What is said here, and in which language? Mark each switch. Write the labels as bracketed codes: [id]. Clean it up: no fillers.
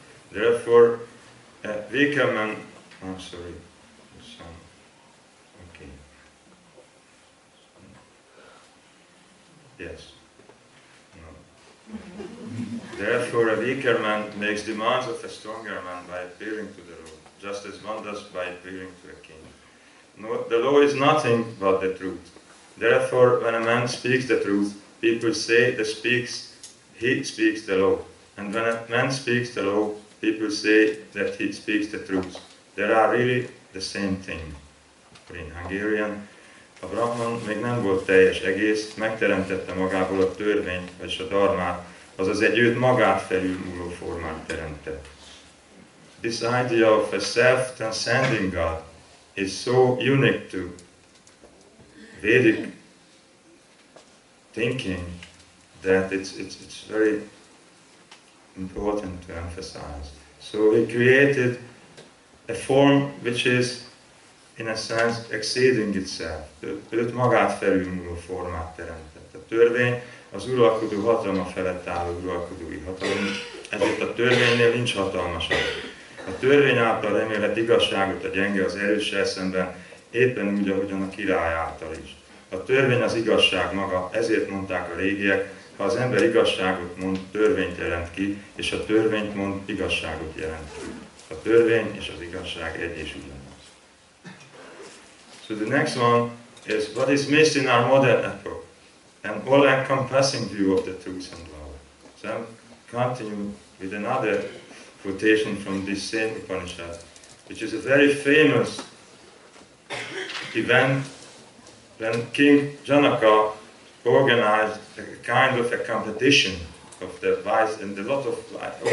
[en] Therefore, Therefore, a weaker man makes demands of a stronger man by appealing to the law, just as one does by appealing to a king. No, the law is nothing but the truth. Therefore, when a man speaks the truth, people say he speaks the law. And when a man speaks the law, people say that he speaks the truth. They are really the same thing. But in Hungarian, [hu] a Brahman még nem volt teljes egész, megteremtette magából a törvényt, vagyis a dharmát, azaz egy őt magát felülmúló formát teremtett. [en] This idea of a self-transcending God is so unique to Vedic thinking that it's very important to emphasize. So he created a form which is, in a sense, exceeding itself. [hu] Őt magát felülmúló formát teremtett. A törvény az uralkodó hatalma felett álló uralkodói hatalom, ezért a törvénynél nincs hatalmasabb. A törvény által remélhet igazságot a gyenge az erőssel szemben, éppen úgy, ahogyan a király által is. A törvény az igazság maga, ezért mondták a régiek, ha az ember igazságot mond, törvényt jelent ki, és a törvényt mond, igazságot jelent ki. A törvény és az igazság egy és ugyanaz. [en] So the next one is, what is missed in our modern epoch? An all-encompassing view of the truth and love. So I'm continue with another quotation from this same Upanishad, which is a very famous event when King Janaka organized a kind of a competition of the wise and a lot of life.